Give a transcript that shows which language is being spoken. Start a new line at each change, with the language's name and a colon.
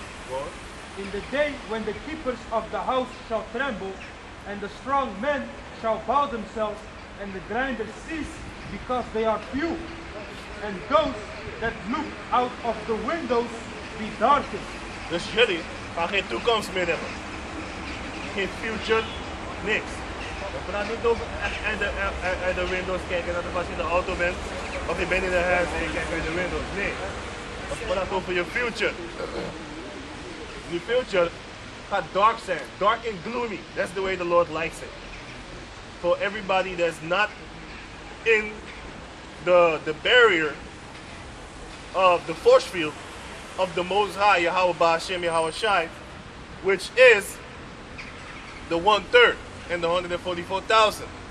English: What? In the day when the keepers of the house shall tremble, and the strong men shall bow themselves, and the grinders cease because they are few, and those that look out of the windows be darkened.
Dutch: Dus jullie gaan geen toekomst meer hebben. Geen future, niks. We praten niet over uit de windows kijken, dat als je in de auto bent, of je bent in de huis en je kijkt uit de windows. Nee. We praten over je future. Your future gaat dark zijn,
English: dark and gloomy. That's the way the Lord likes it. For everybody that's not in the barrier of the force field of the Most High, Yahweh Ba'ashem, Yahweh Shai, which is the 1/3 and the 144,000.